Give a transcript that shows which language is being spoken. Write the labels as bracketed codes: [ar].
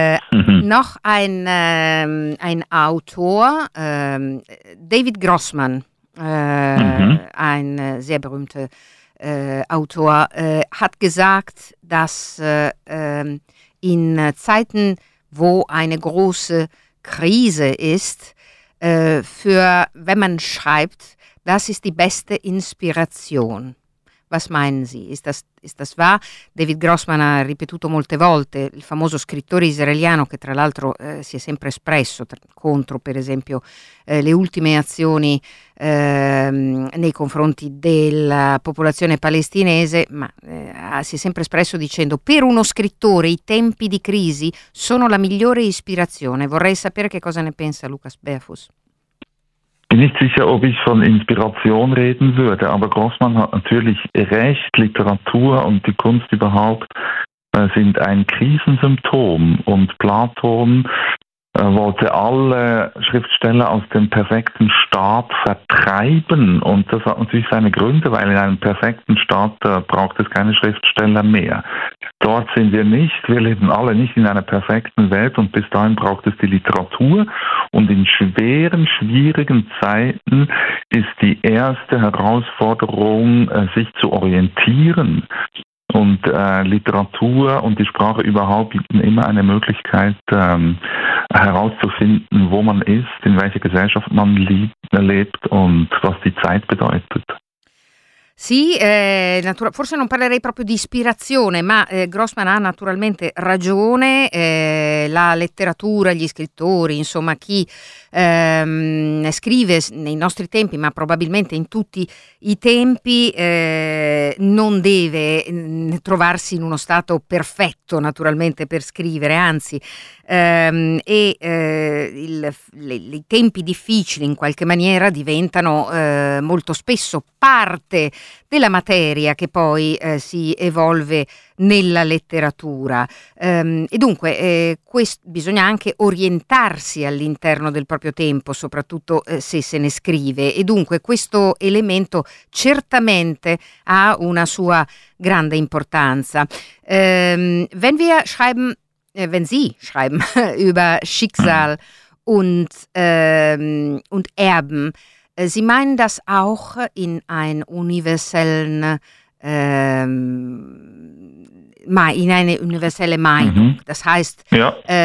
[de] Noch ein Autor, David Grossman, ein sehr berühmter Autor, hat gesagt, dass in Zeiten, wo eine große Krise ist, wenn man schreibt, das ist die beste Inspiration. Was meinen Sie? Ist das wahr? [it] David Grossman ha ripetuto molte volte, il famoso scrittore israeliano che tra l'altro si è sempre espresso contro per esempio le ultime azioni nei confronti della popolazione palestinese, ma si è sempre espresso dicendo: per uno scrittore i tempi di crisi sono la migliore ispirazione. Vorrei sapere che cosa ne pensa Lukas Berfus. [de] Ich bin nicht sicher, ob ich von Inspiration reden würde, aber Grossman hat natürlich recht, Literatur und die Kunst überhaupt sind ein Krisensymptom. Und Platon wollte alle Schriftsteller aus dem perfekten Staat vertreiben. Und das hat natürlich seine Gründe, weil in einem perfekten Staat braucht es keine Schriftsteller mehr. Dort sind wir nicht, wir leben alle nicht in einer perfekten Welt und bis dahin braucht es die Literatur. Und in schweren, schwierigen Zeiten ist die erste Herausforderung, sich zu orientieren. Und Literatur und die Sprache überhaupt bieten immer eine Möglichkeit, herauszufinden, wo man ist, in welcher Gesellschaft man lebt und was die Zeit bedeutet. [it] Sì, forse non parlerei proprio di ispirazione, ma Grossman ha naturalmente ragione, la letteratura, gli scrittori, insomma chi scrive nei nostri tempi, ma probabilmente in tutti i tempi, non deve trovarsi in uno stato perfetto naturalmente per scrivere, anzi, i tempi difficili in qualche maniera diventano molto spesso parte della materia che poi si evolve nella letteratura. E dunque bisogna anche orientarsi all'interno del proprio tempo, soprattutto se se ne scrive. E dunque questo elemento certamente ha una sua grande importanza. [de] Wenn wir schreiben, wenn Sie schreiben über Schicksal und Erben, Sie meinen das auch in einem universellen, in eine universelle Meinung. Mhm. Das heißt, ja.